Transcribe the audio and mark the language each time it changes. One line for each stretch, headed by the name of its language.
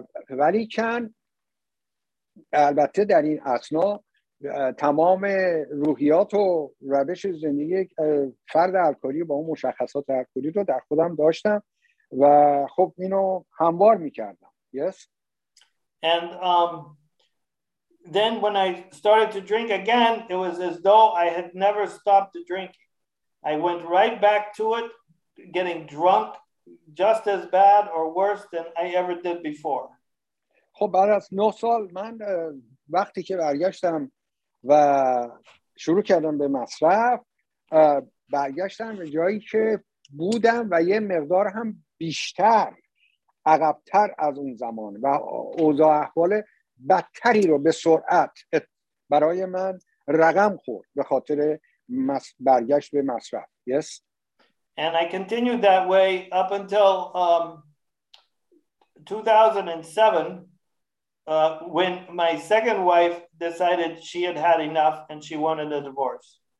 Persian: ولی کن البته در این اثنا تمام روحیات و روش زندگی فرد الکلی با اون مشخصات الکلی رو در خودم داشتم و خب اینو هموار میکردم.
English: Yes. And then when I started to drink again, it was as though I had never stopped to drink. I went right back to it, getting drunk just as bad or worse than I ever did before.
Persian: خب بعد از 9 سال من وقتی که برگشتم و شروع کردم به مصرف، برگشتم به جایی که بودم و یه مقدار هم بیشتر عقبتر از اون زمان و اوضاع احوال بدتری رو به سرعت برای من رقم خورد به خاطر برگشت به مصرف.
English: Yes. And I continued that way up until 2007, when my second wife decided she had had enough and she wanted a divorce.